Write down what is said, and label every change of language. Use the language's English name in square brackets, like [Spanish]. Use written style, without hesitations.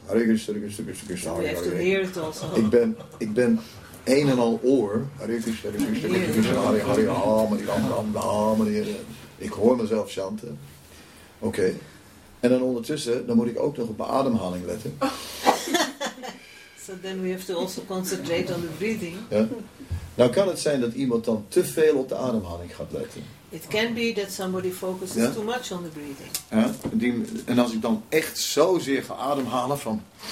[Sanskrit] Hare Krishna, Hare Krishna, Krishna Krishna, Hare Hare. [English] We have to hear it also. [Dutch] Ik ben een en al oor. [Sanskrit] Hare Krishna, Hare Krishna, Krishna Krishna, Hare Hare, Ram, Ram, Ram, Ram, Hare. [Dutch] Ik hoor mezelf chanten. Oké. Okay. En dan ondertussen, dan moet ik ook nog op mijn ademhaling letten. [English] So then we have to also concentrate on the breathing. [Dutch] Ja. Nou kan het zijn dat iemand dan te veel op de ademhaling gaat letten. [English] It can be that somebody focuses too much on the breathing. [Dutch] Ja. En als ik dan echt zozeer ga ademhalen van...